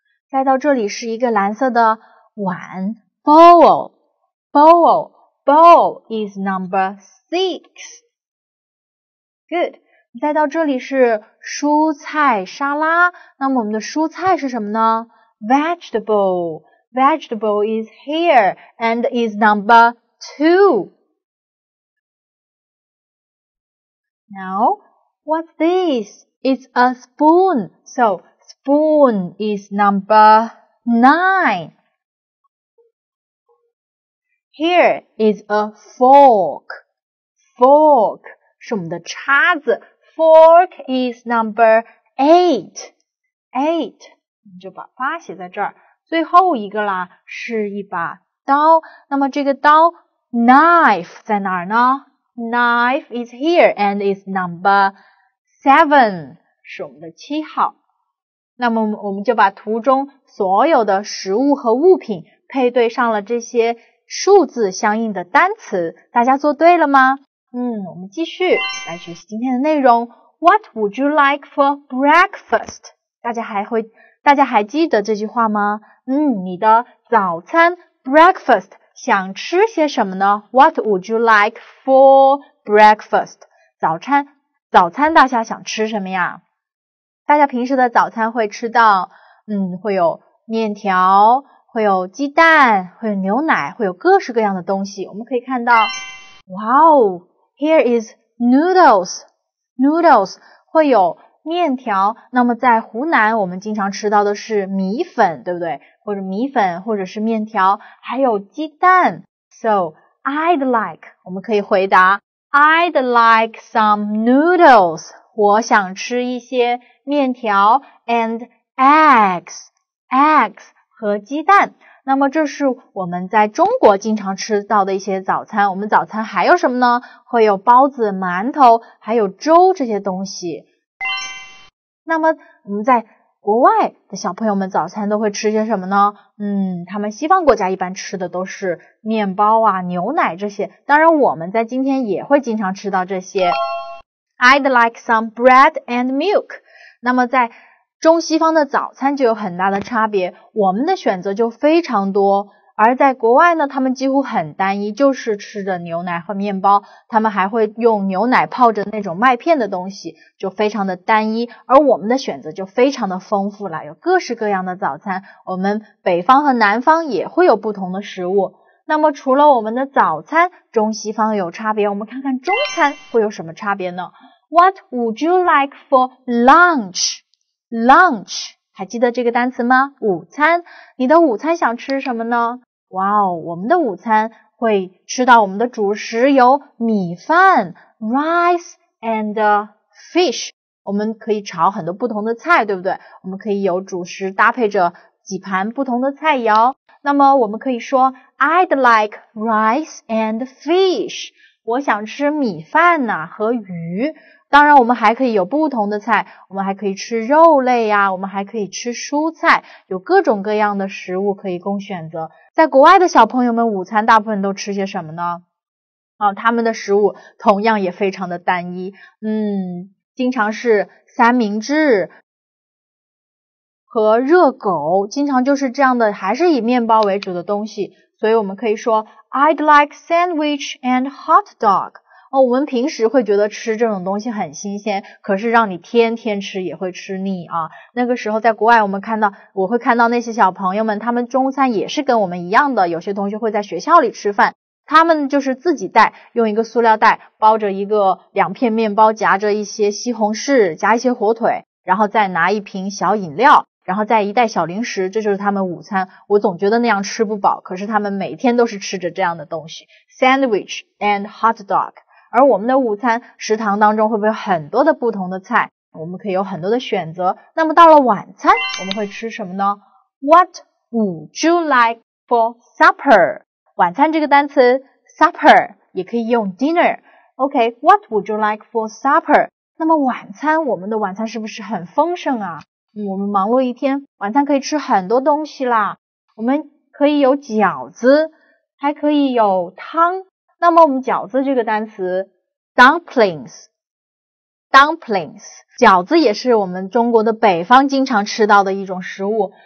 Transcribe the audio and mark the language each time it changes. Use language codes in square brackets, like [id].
[zh] 带到这里是一个蓝色的碗。 [en] Bowl. Bowl. Bowl is number 6. Good. [zh] 带到这里是蔬菜沙拉。那么我们的蔬菜是什么呢？ [en] Vegetable. Vegetable is here and is number 2. Now, what's this? It's a spoon. So, spoon is number 9. Here is a fork. [zh] Fork 是我们的叉子。 [en] Fork is number 8. 8, [zh] 你就把8写在这儿。最后一个啦，是一把刀。那么这个刀 knife 在哪儿呢？ [en] knife is here and is number 7, [zh] 是我们的七号。那么我们就把图中所有的食物和物品配对上了这些数字相应的单词，大家做对了吗？我们继续来学习今天的内容。 [en] What would you like for breakfast? [zh] 大家还记得这句话吗？你的早餐 breakfast 想吃些什么呢？ [en] What would you like for breakfast? [zh] 早餐大家想吃什么呀？大家平时的早餐会吃到会有面条，会有鸡蛋，会有牛奶，会有各式各样的东西。我们可以看到，哇哦， [en] here is noodles, [zh] noodles 会有面条，那么在湖南我们经常吃到的是米粉，对不对？或者米粉，或者是面条，还有鸡蛋。 [en] So, I'd like, [zh] 我们可以回答 [en] I'd like some noodles, [zh] 我想吃一些面条 [en] and eggs [zh] 和鸡蛋。那么这是我们在中国经常吃到的一些早餐。我们早餐还有什么呢？会有包子、馒头，还有粥这些东西。那么我们在国外的小朋友们早餐都会吃些什么呢？他们西方国家一般吃的都是面包啊、牛奶这些。当然我们在今天也会经常吃到这些。 [en] I'd like some bread and milk. [zh] 那么在中西方的早餐就有很大的差别，我们的选择就非常多，而在国外呢，他们几乎很单一，就是吃着牛奶和面包，他们还会用牛奶泡着那种麦片的东西，就非常的单一，而我们的选择就非常的丰富了，有各式各样的早餐，我们北方和南方也会有不同的食物。那么除了我们的早餐，中西方有差别，我们看看中餐会有什么差别呢？ [en] What would you like for lunch? [zh] Lunch, 还记得这个单词吗？午餐，你的午餐想吃什么呢？哇哦，我们的午餐会吃到我们的主食有米饭 , [en] rice and fish, [zh] 我们可以炒很多不同的菜，对不对？我们可以有主食搭配着几盘不同的菜肴。那么我们可以说 [en] I'd like rice and fish. [zh] 我想吃米饭呐、和鱼。当然我们还可以有不同的菜，我们还可以吃肉类呀、我们还可以吃蔬菜，有各种各样的食物可以供选择。在国外的小朋友们午餐大部分都吃些什么呢？他们的食物同样也非常的单一。经常是三明治和热狗，经常就是这样的，还是以面包为主的东西。所以我们可以说 [en] I'd like sandwich and hot dog. [zh] 我们平时会觉得吃这种东西很新鲜，可是让你天天吃也会吃腻啊。那个时候在国外，我会看到那些小朋友们，他们中餐也是跟我们一样的，有些同学会在学校里吃饭，他们就是自己带，用一个塑料袋包着一个两片面包，夹着一些西红柿，夹一些火腿，然后再拿一瓶小饮料，然后再一袋小零食，这就是他们午餐。我总觉得那样吃不饱，可是他们每天都是吃着这样的东西， [en] sandwich and hot dog。 [zh] 而我们的午餐食堂当中会不会有很多的不同的菜，我们可以有很多的选择。那么到了晚餐我们会吃什么呢？ [en] What would you like for supper? [zh] 晚餐这个单词 supper 也可以用 dinner。 [en] OK, what would you like for supper? [zh] 那么晚餐，我们的晚餐是不是很丰盛啊？我们忙碌一天，晚餐可以吃很多东西啦。我们可以有饺子，还可以有汤。那么我们饺子这个单词 ,dumplings, 饺子也是我们中国的北方经常吃到的一种食物。